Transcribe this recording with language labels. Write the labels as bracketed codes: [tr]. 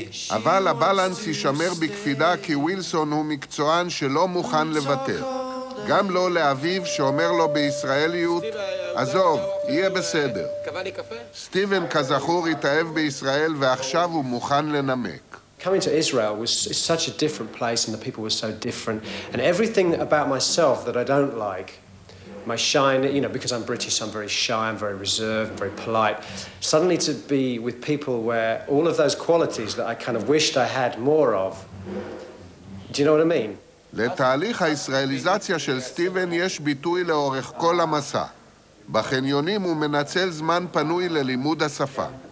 [he] אבל הבלנס יישמר בקפידה כי ווילסון הוא מקצוען שלא מוכן לוותר. גם לא לאביו שאומר לו בישראליות, עזוב, יהיה בסדר. סטיבן כזכור התאהב בישראל ועכשיו הוא מוכן לנמק. [en] Coming to Israel was such a different place and the people were so different and everything about myself that I don't like, my shyness, you know, because I'm British, I'm very shy, I'm very reserved, very polite. Suddenly to be with people where all of those qualities that I kind of wished I had more of. Do you know what I mean? [he] לתהליך הישראליזציה של סטיבן יש ביטוי לאורך כל המסע. בחניונים הוא מנצל זמן פנוי ללימוד השפה.